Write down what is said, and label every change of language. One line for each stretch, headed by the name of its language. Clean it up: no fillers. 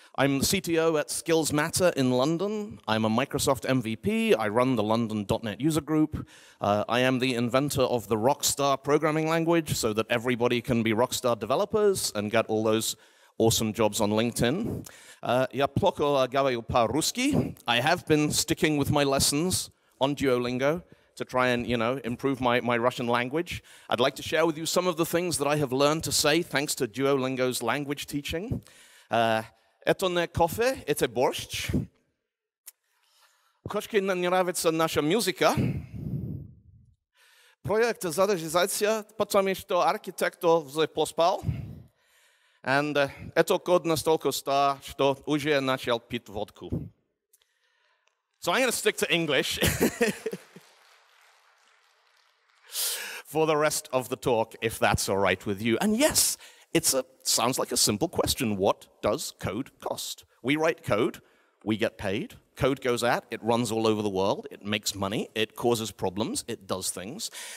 English: I'm the CTO at Skills Matter in London. I'm a Microsoft MVP. I run the London .NET user group. I am the inventor of the Rockstar programming language so that everybody can be Rockstar developers and get all those awesome jobs on LinkedIn.
Russian: Я плохо говорю по-русски.
English: I have been sticking with my lessons on Duolingo to try and, you know, improve my Russian language. I'd like to share with you some of the things that I have learned to say thanks to Duolingo's language teaching.
Russian: Это не кофе, это борщ. Кошке не нравится наша музыка. Проект задержался, потому что архитектор поспал. And это код настолько стар, что уже начал пить водку.
English: So I'm going to stick to English for the rest of the talk, if that's all right with you. And yes, sounds like a simple question. What does code cost? We write code, we get paid, code goes out, it runs all over the world, it makes money, it causes problems, it does things.